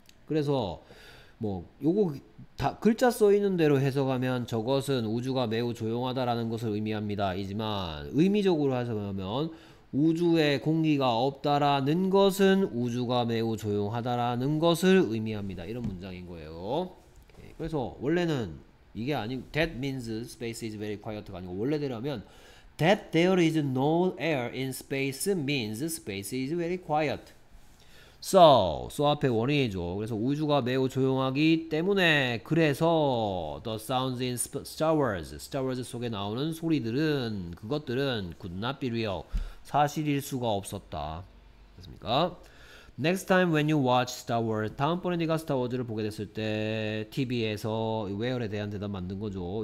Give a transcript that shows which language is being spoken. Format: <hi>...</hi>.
<ko>그래서 뭐 요거 다 글자 써있는 대로 해석하면 저것은 우주가 매우 조용하다는 것을 의미합니다. 이지만 의미적으로 해석하면 우주에 공기가 없다라는 것은 우주가 매우 조용하다라는 것을 의미합니다. 이런 문장인 거예요. 그래서 원래는 이게 아니고</ko> <en>that means space is very quiet</en> <ko>가 아니고 원래대로 하면</ko> <en>that there is no air in space means space is very quiet.</en> <ko>So 앞에 원인이죠. 그래서 우주가 매우 조용하기 때문에 그래서</ko> <en>the sounds in Star Wars,</en> <ko>Star Wars 속에 나오는 소리들은 그것들은</ko> <en>could not be real,</en> <ko>사실일 수가 없었다. 그렇습니까?</ko> <en>Next time when you watch Star Wars,</en> <ko>다음번에 네가 스타워즈를 보게 됐을 때 TV에서 where에 대한 대답 만든 거죠.</ko>